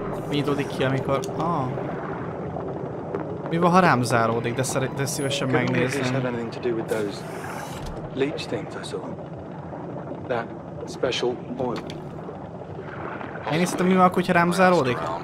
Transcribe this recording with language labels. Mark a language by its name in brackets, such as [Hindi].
[Hungarian] Nyitódik ki, amikor... Ah. Mi van, ha rám záródik, de, de szívesen megnézem. [English] Have anything to do with those leech things I saw? That special oil. [Hungarian] Én is tudom, mi van, hogyha rám záródik?